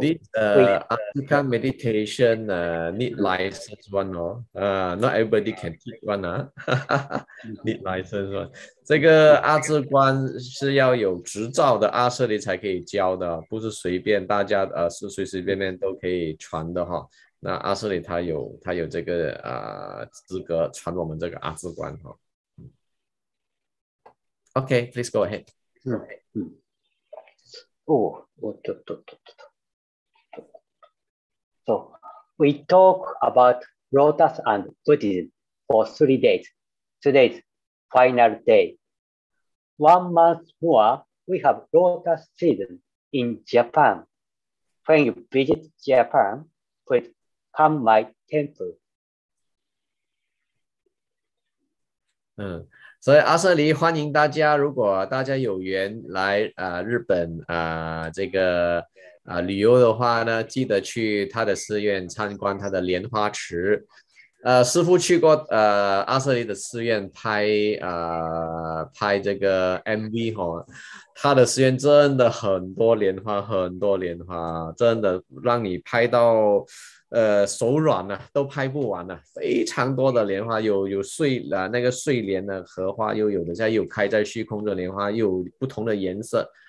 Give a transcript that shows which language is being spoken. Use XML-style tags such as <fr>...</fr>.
<en>this Asukan meditation need license one or not everybody can take one need license one.</en> <zh>这个阿智观是要有执照的阿舍利才可以教的，不是随便大家是随随便便都可以传的哈。那阿舍利他有这个资格传我们这个阿智观哈。</zh> <en>Okay, please go ahead.</en> <zh>嗯嗯。哦，我这这这这。</zh> <en>So, we talk about Lotus and Buddhism for 3 days. Today's final day. 1 month more, we have Lotus season in Japan. When you visit Japan, please come my temple.</en> <zh>所以阿舍利欢迎大家，如果大家有缘来日本这个旅游的话呢，记得去他的寺院参观他的莲花池。师父去过阿舍利的寺院拍这个 MV 哈，他的寺院真的很多莲花，很多莲花，真的让你拍到手软了、都拍不完了，非常多的莲花，有睡了那个睡莲的荷花，又有的在又开在虚空的莲花，又有不同的颜色。</zh>